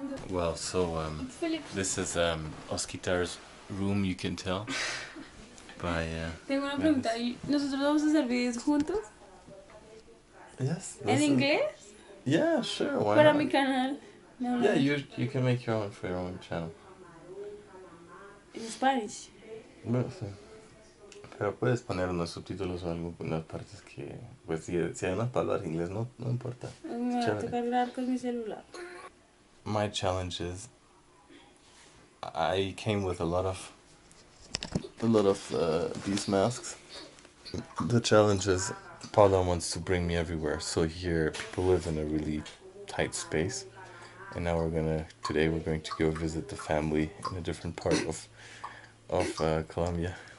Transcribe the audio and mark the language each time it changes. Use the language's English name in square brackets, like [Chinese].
[English] Well, so this is Oscar's room, you can tell. By, [Spanish] tengo una pregunta, ¿nosotros vamos a hacer videos juntos? [English] Yes. [Spanish] ¿En inglés? [English] Yeah, sure, why [Spanish] not? Para mi canal. [English] No, yeah, you can make your own for your own channel. In Spanish. [Spanish] Bueno, sí. Pero puedes poner unos subtítulos o algo en las partes que, pues, si hay unas palabras en inglés, no importa. Me voy a tocar hablar con mi celular. [English] My challenge is, I came with a lot of these masks. The challenge is, Paula wants to bring me everywhere. So here, people live in a really tight space. And now today we're going to go visit the family in a different part of Colombia.